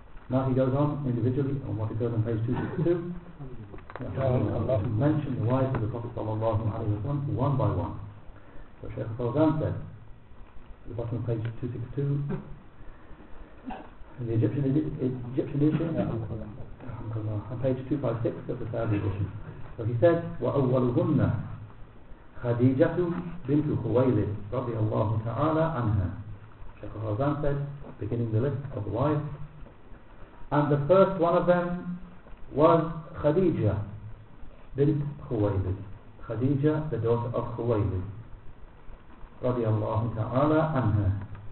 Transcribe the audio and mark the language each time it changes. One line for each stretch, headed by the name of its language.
English: Now he goes on individually on what occurs on page 262. Mention the wives of the Prophet sallallahu alaihi wasallam one by one. So Shaykh al-Fawzan said, at the bottom of page 262, in the Egyptian edition, on page 256 of the Saudi edition. So he said,
Arabic: وَأَوَّلُهُنَّ خَدِيجَةُ بِنْتُ خُوَيْلِ رَضِيَ اللَّهُ تَعَالَى عَنْهَا.
English: Shaykh al-Fawzan said, beginning the list of the wives, and the first one of them was Khadija bint Khuwaylid. Khadija, the daughter of Khuwaylid, radiallahu ta'ala anha.